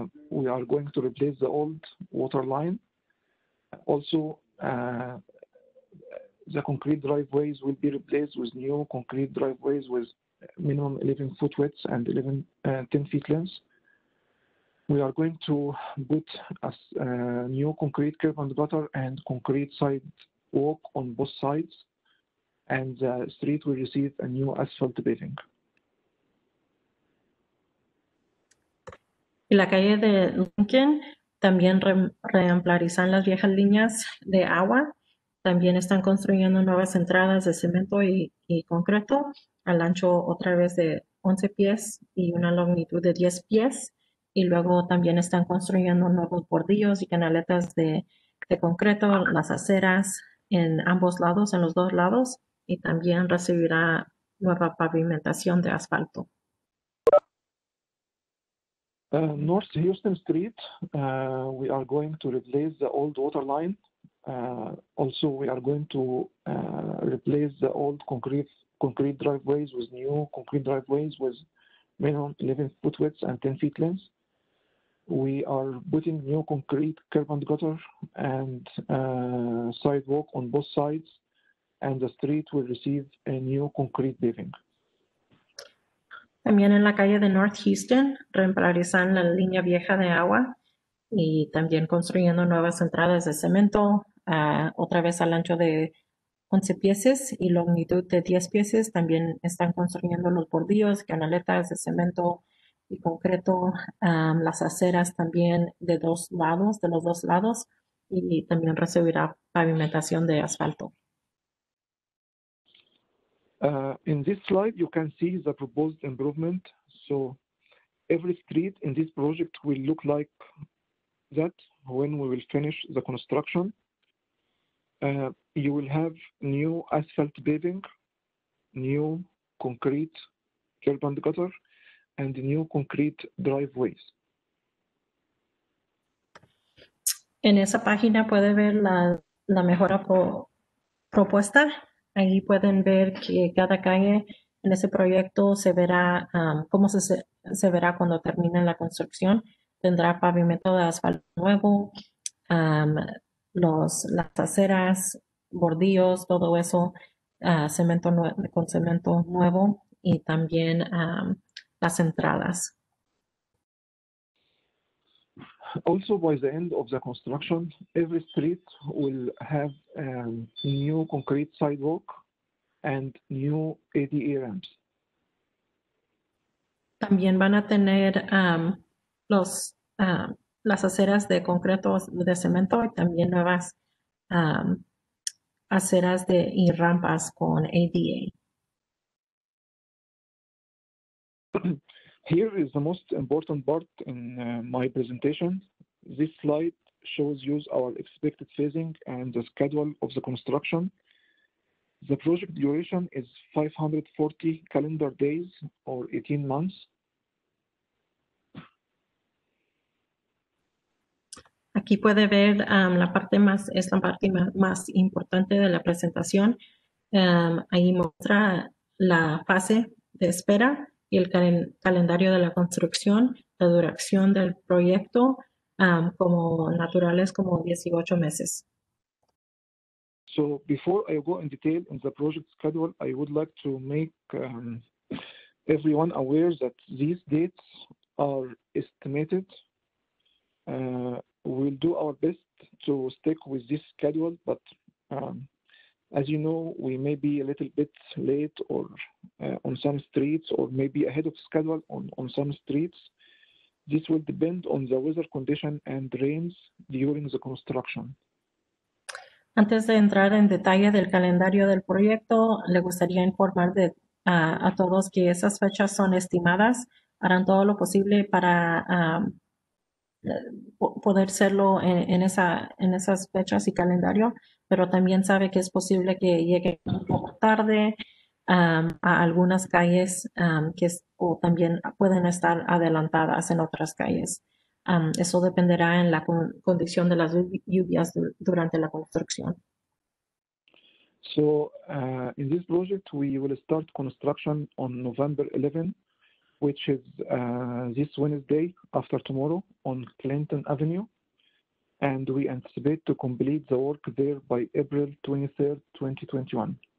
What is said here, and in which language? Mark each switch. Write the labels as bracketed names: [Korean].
[English] We are going to replace the old water line. Also, the concrete driveways will be replaced with new concrete driveways with minimum 11 foot widths and 10 feet lengths. We are going to put a new concrete curb and gutter and concrete sidewalk on both sides, and the street will receive a new asphalt paving. [Spanish] Y la calle de Lincoln también reemplazarán las viejas líneas de agua. También están construyendo nuevas entradas de cemento y concreto al ancho otra vez de 11 pies y una longitud de 10 pies. Y luego también están construyendo nuevos bordillos y canaletas de concreto, las aceras en ambos lados, en los dos lados, y también recibirá nueva pavimentación de asfalto. [English] North Houston Street, we are going to replace the old water line. Also, we are going to replace the old concrete driveways with new concrete driveways with minimum 11 foot widths and 10 feet lengths. We are putting new concrete curb and gutter and sidewalk on both sides, and the street will receive a new concrete paving. [Spanish] También en la calle de North Houston, reemplazarán la línea vieja de agua y también construyendo nuevas entradas de cemento, otra vez al ancho de 11 pies y longitud de 10 pies. También están construyendo los bordillos, canaletas de cemento y concreto, las aceras también de dos lados, de los dos lados, y también recibirá pavimentación de asfalto. [English] In this slide, you can see the proposed improvement. So every street in this project will look like that when we will finish the construction. You will have new asphalt paving, new concrete curb and gutter, and new concrete driveways. [Spanish] En esa página puede ver la mejora propuesta. Ahí pueden ver que cada calle en ese proyecto se verá, cómo se verá cuando termine la construcción. Tendrá pavimento de asfalto nuevo, las aceras, bordillos, todo eso, cemento con cemento nuevo y también las entradas. [English] Also, by the end of the construction, every street will have a new concrete sidewalk and new ADA ramps. [Spanish] También van a tener las aceras de concreto de cemento y también nuevas aceras y rampas con ADA. [English] Here is the most important part in my presentation. This slide shows you our expected phasing and the schedule of the construction. The project duration is 540 calendar days or 18 months. [Spanish] Aquí puede ver la parte más importante de la presentación. Ahí muestra la fase de espera y el calendario de la construcción, la duración del proyecto, como naturales, como 18 meses. [English] So before I go in detail in the project schedule, I would like to make everyone aware that these dates are estimated. We'll do our best to stick with this schedule, but as you know, we may be a little bit late or on some streets, or maybe ahead of schedule on some streets. This will depend on the weather condition and rains during the construction. [Spanish] Antes de entrar en detalle del calendario del proyecto, le gustaría informar a todos que esas fechas son estimadas. Harán todo lo posible para poder hacerlo en esas fechas y calendario, pero también sabe que es posible que llegue un poco tarde a algunas calles o también pueden estar adelantadas en otras calles. Eso dependerá en la condición de las lluvias durante la construcción. [English] So, in this project, we will start construction on November 11, which is this Wednesday after tomorrow on Clinton Avenue. And we anticipate to complete the work there by April 23, 2021.